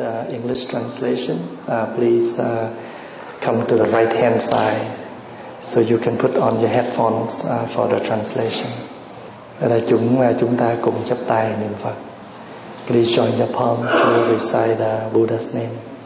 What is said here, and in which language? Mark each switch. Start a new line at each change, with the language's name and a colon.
English: English translation, please come to the right hand side so you can put on your headphones for the translation.
Vietnamese: Chúng ta cùng chắp tay niệm Phật.
English: Please join your palms to recite the Buddha's name.